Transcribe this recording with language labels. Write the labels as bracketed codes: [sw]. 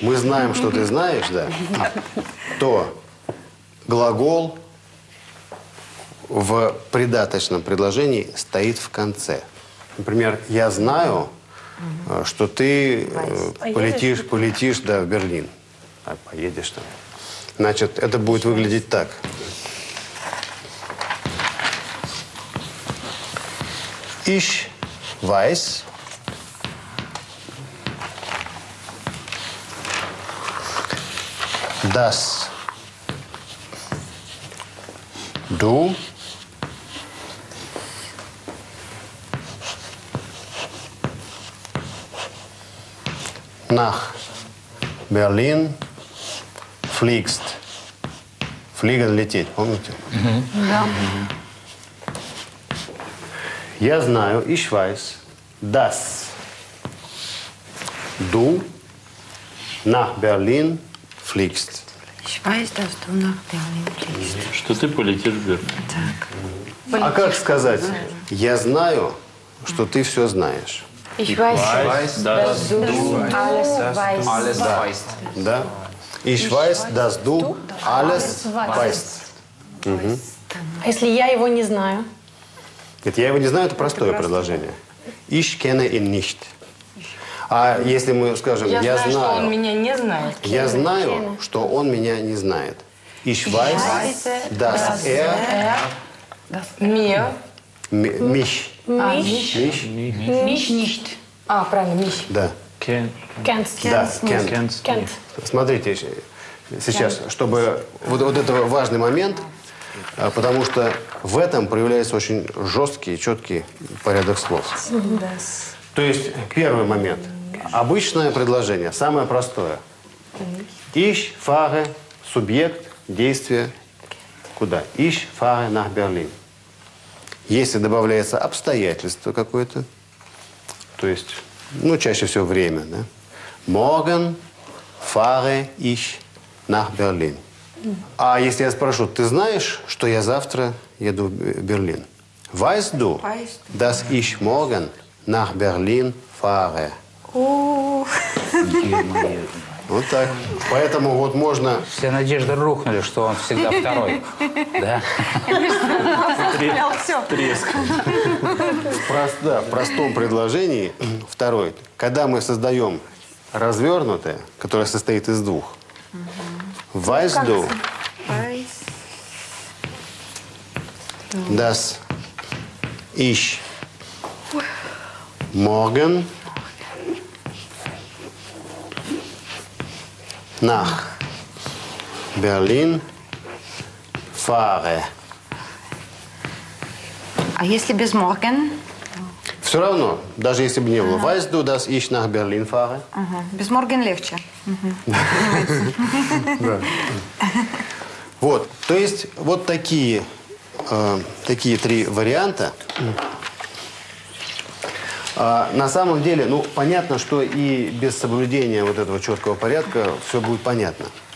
[ru] Мы знаем, что ты знаешь, да. То глагол в придаточном предложении стоит в конце. Например, я знаю, что ты полетишь в Берлин. А поедешь там. Значит, это будет выглядеть так. [de] Ich weiß, dass du nach Berlin fliegst. [ru] Fliegen, лететь, помните? Да. Я знаю, [de] ich weiß, dass du nach Berlin fliegst. Ich weiß, dass du nach Berlin fliegst. [ru] Что ты полетишь в Берлин. Так. А как сказать? Я знаю, что ты все знаешь. [de] Ich weiß, dass du alles weißt. [ru] Да. [de] Ich weiß, dass du alles weißt. [ru] А если я его не знаю? Нет, я его не знаю, это простое предложение. [de] Ich kenne ihn nicht. [ru] А если мы скажем, я знаю... Я знаю, что он меня не знает. Я знаю, что он меня не знает. [de] Ich weiß, dass er... Mir... Mich. Mich. Mich nicht. [ru] А, правильно, mich. Да. [de] Kennt. [ru] Смотрите, сейчас, чтобы вот это важный момент, потому что в этом проявляется очень жесткий, четкий порядок слов. То есть, первый момент. Обычное предложение, самое простое. [de] Ich fahre, [ru] субъект, действие, куда? [de] Ich fahre nach Berlin. [ru] Если добавляется обстоятельство какое-то, то есть, ну, чаще всего время, да? [de] Morgen fahre ich nach Berlin. [ru] А если я спрошу, ты знаешь, что я завтра еду в Берлин? [de] Weißt du, dass ich morgen nach Berlin fahre? [ru] Вот так. Поэтому вот можно... Все надежды рухнули, что он всегда второй. Да? Треск. В простом предложении второй. Когда мы создаем развернутое, которое состоит из двух. [de] Weißt du, dass ich morgen nach Berlin fahre. [ru] А если без morgen? Все равно, даже если бы не было. [de] Weißt du, dass ich nach Berlin fahre? [ru] Без morgen легче. Вот, то есть вот такие три варианта. На самом деле, ну, понятно, что и без соблюдения вот этого четкого порядка все будет понятно.